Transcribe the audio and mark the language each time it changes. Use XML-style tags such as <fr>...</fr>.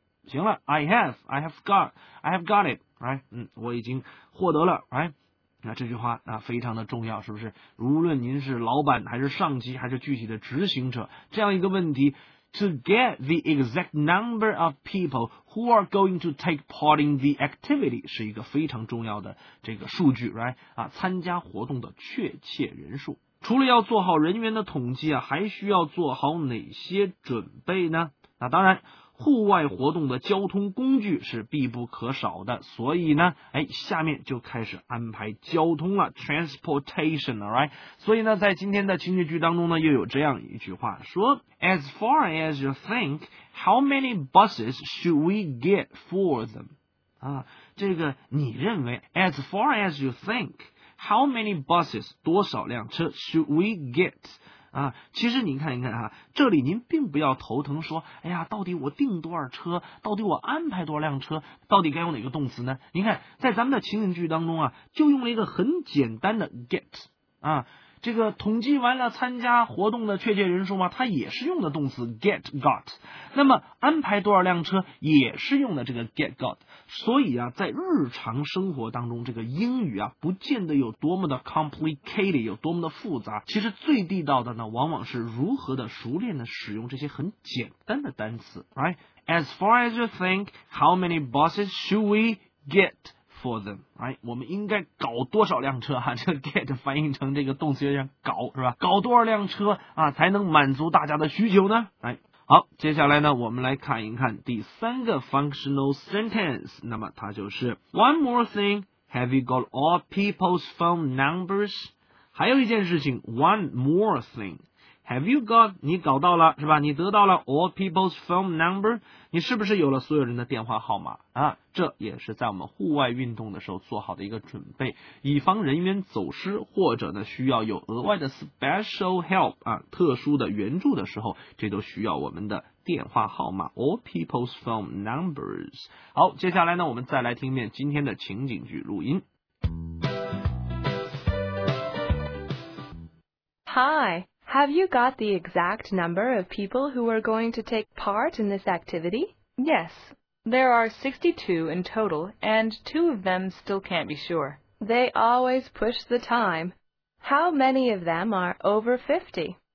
<zh>行了</zh> <en>I have got it</en> <zh>我已经获得了这句话非常的重要是不是无论您是老板还是上级还是具体的执行者这样一个问题</zh> <en>to get the exact number of people who are going to take part in the activity</en> <zh>是一个非常重要的这个数据 参加活动的确切人数除了要做好人员的统计还需要做好哪些准备呢那当然户外活动的交通工具是必不可少的，所以呢，哎，下面就开始安排交通了 ，transportation， alright。所以呢，在今天的情景剧当中呢，又有这样一句话说</zh> <en>：As far as you think, how many buses should we get for them？</en> <zh>啊，这个你认为 ？</zh> <en>As far as you think, how many buses？</en> <zh>多少辆车</zh> <en>should we get？</en> <zh>啊，其实您看一看哈，这里您并不要头疼说，哎呀，到底我订多少车，到底我安排多少辆车，到底该用哪个动词呢？您看，在咱们的情景剧当中啊，就用了一个很简单的 get 啊，这个统计完了参加活动的确切人数嘛，它也是用的动词 get got， 那么安排多少辆车也是用的这个 get got， 所以啊，在日常生活当中，这个英语啊，不见得有多么的 complicated， 有多么的复杂，其实最地道的呢，往往是如何的熟练的使用这些很简单的单词 ，right？</zh> <en>As far as you think, how many buses should we get？ For them, right?</en> <zh>我们应该搞多少辆车啊？这个 get 翻译成这个动词有点搞，是吧？搞多少辆车啊，才能满足大家的需求呢？哎，好，接下来呢，我们来看一看第三个 functional sentence。那么它就是</zh> <en>One more thing, have you got all people's phone numbers?</en> <zh>还有一件事情 ，</zh> <en>One more thing, have you got?</en> <zh>你搞到了是吧？你得到了</zh> <en>all people's phone number？</en> <zh>你是不是有了所有人的电话号码啊？这也是在我们户外运动的时候做好的一个准备，以防人员走失或者呢需要有额外的 special help 啊，特殊的援助的时候，这都需要我们的电话号码</zh> <en>all people's phone numbers。</en> <zh>好，接下来呢我们再来听一遍今天的情景剧录音。</zh> <en>Hi, have you got the exact number of people who are going to take part in this activity? Yes. There are 62 in total, and two of them still can't be sure. They always push the time. How many of them are over 50?</en>